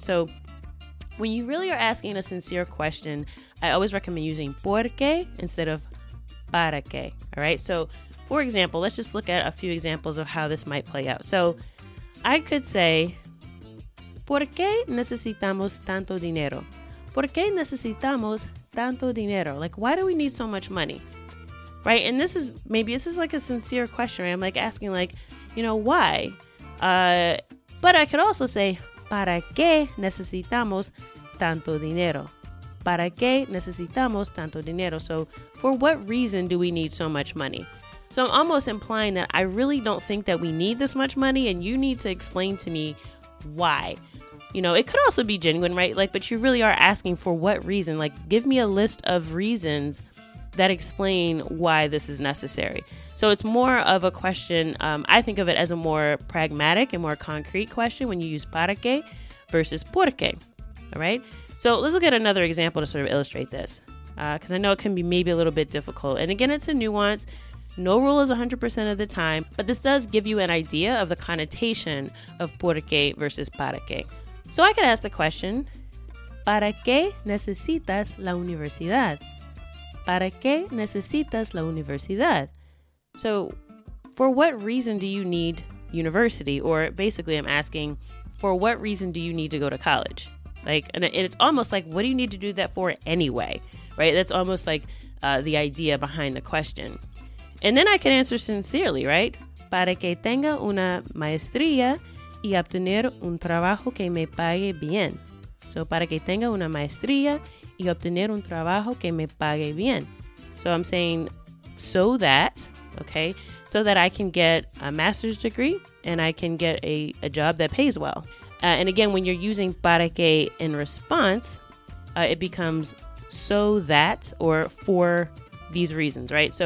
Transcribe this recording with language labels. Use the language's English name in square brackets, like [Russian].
[English] So when you really are asking a sincere question, I always recommend using por qué instead of para qué, all right? So for example, let's just look at a few examples of how this might play out. So I could say, [Spanish] ¿por qué necesitamos tanto dinero? ¿Por qué necesitamos tanto dinero? [English] Like, why do we need so much money? Right? And this is like a sincere question, right? I'm like asking like, you know, why? But I could also say, [Spanish] ¿para qué necesitamos tanto dinero? ¿Para qué necesitamos tanto dinero? [English] So for what reason do we need so much money? So I'm almost implying that I really don't think that we need this much money and you need to explain to me why. You know, it could also be genuine, right? Like, but you really are asking for what reason. Like, give me a list of reasons that explain why this is necessary. So it's more of a question. I think of it as a more pragmatic and more concrete question when you use para qué versus por qué. All right. So let's look at another example to sort of illustrate this, because I know it can be maybe a little bit difficult. And again, it's a nuance. No rule is 100% of the time, but this does give you an idea of the connotation of por qué versus para qué. So I could ask the question, [Spanish] ¿Para qué necesitas la universidad? ¿Para qué necesitas la universidad? [English] So for what reason do you need university? Or basically I'm asking, for what reason do you need to go to college? Like, and it's almost like, what do you need to do that for anyway? Right? That's almost like the idea behind the question. And then I can answer sincerely, right? [Spanish] Para que tenga una maestría y obtener un trabajo que me pague bien. So, para que tenga una maestría y obtener un trabajo que me pague bien. [English] So, I'm saying, so that, okay, so that I can get a master's degree and I can get a job that pays well. And again, when you're using para que in response, it becomes so that or for these reasons, right?